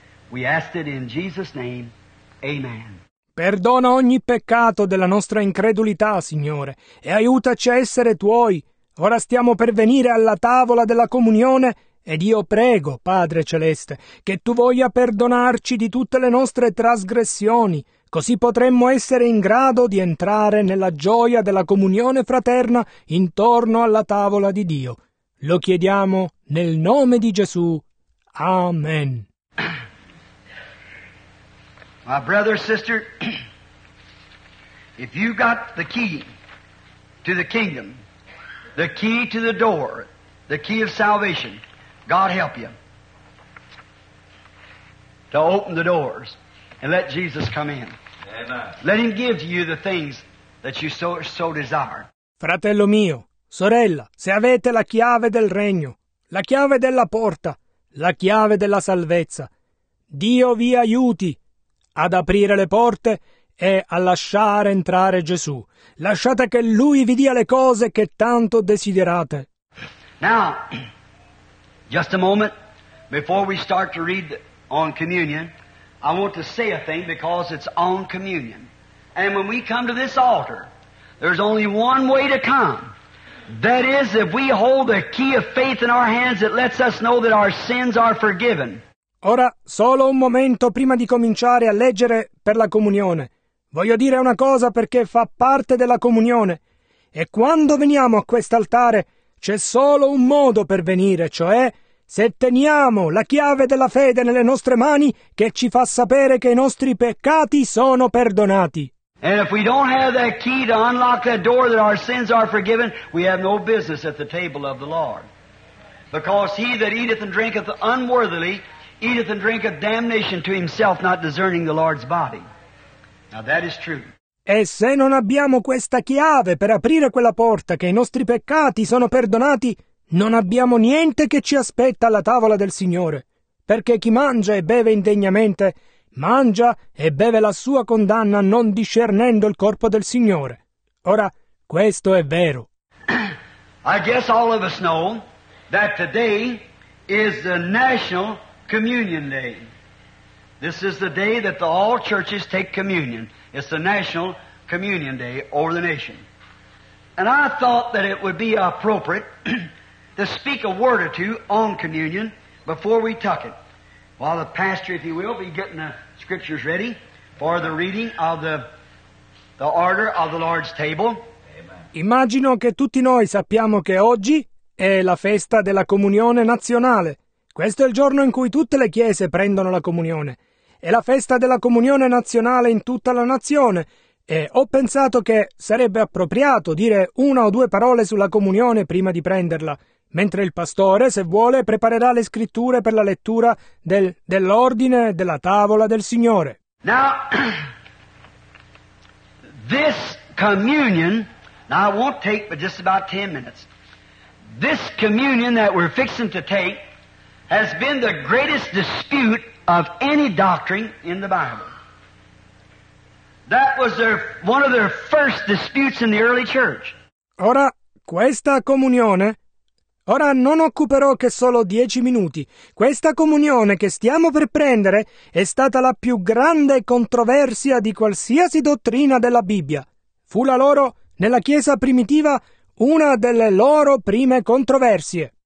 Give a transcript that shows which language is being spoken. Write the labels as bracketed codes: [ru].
[en] We ask it in Jesus' name. Amen. [it] Perdona ogni peccato della nostra incredulità, Signore, e aiutaci a essere Tuoi. Ora stiamo per venire alla tavola della comunione ed io prego, Padre Celeste, che Tu voglia perdonarci di tutte le nostre trasgressioni, così potremmo essere in grado di entrare nella gioia della comunione fraterna intorno alla tavola di Dio. Lo chiediamo nel nome di Gesù. Amen. [en] My brother, sister, if you got the key to the kingdom, the key to the door, the key of salvation, God help you to open the doors and let Jesus come in. Amen. Let Him give to you the things that you so desire. [it] Fratello mio, sorella, se avete la chiave del regno, la chiave della porta, la chiave della salvezza, Dio vi aiuti ad aprire le porte e a lasciare entrare Gesù. Lasciate che Lui vi dia le cose che tanto desiderate. [en] Now, just a moment, before we start to read on communion, I want to say a thing because it's on communion. And when we come to this altar, there's only one way to come. That is, if we hold the key of faith in our hands, it lets us know that our sins are forgiven. [it] Ora, solo un momento prima di cominciare a leggere per la comunione. Voglio dire una cosa perché fa parte della comunione. E quando veniamo a quest'altare, c'è solo un modo per venire, cioè se teniamo la chiave della fede nelle nostre mani che ci fa sapere che i nostri peccati sono perdonati. [en] And if we don't have that key to unlock that door that our sins are forgiven, we have no business at the table of the Lord. Because he that eateth and drinketh unworthily eateth and drinketh damnation to himself, not discerning the Lord's body. Now that is true. [it] E se non abbiamo questa chiave per aprire quella porta che i nostri peccati sono perdonati, non abbiamo niente che ci aspetta alla tavola del Signore. Perché chi mangia e beve indegnamente, mangia e beve la sua condanna non discernendo il corpo del Signore. Ora, questo è vero. [en] I guess all of us know that today is the National Communion Day. This is the day that all churches take communion. It's the National Communion Day over the nation. And I thought that it would be appropriate to speak a word or two on communion before we tuck it. While the pastor, if you will, be getting the scriptures ready for the reading of the order of the Lord's table. Amen. [it] Immagino che tutti noi sappiamo che oggi è la festa della comunione nazionale. Questo è il giorno in cui tutte le chiese prendono la comunione. È la festa della comunione nazionale in tutta la nazione e ho pensato che sarebbe appropriato dire una o due parole sulla comunione prima di prenderla, mentre il pastore, se vuole, preparerà le scritture per la lettura dell'ordine della tavola del Signore. [en] Now, this communion, now I won't take but just about 10 minutes. This communion that we're fixing to take has been the greatest dispute of any doctrine in the Bible. That was one of their first disputes in the early church. [it] Ora, questa comunione, Ora non occuperò che solo 10 minuti. Questa comunione che stiamo per prendere è stata la più grande controversia di qualsiasi dottrina della Bibbia. Fu la loro, nella Chiesa primitiva, una delle loro prime controversie.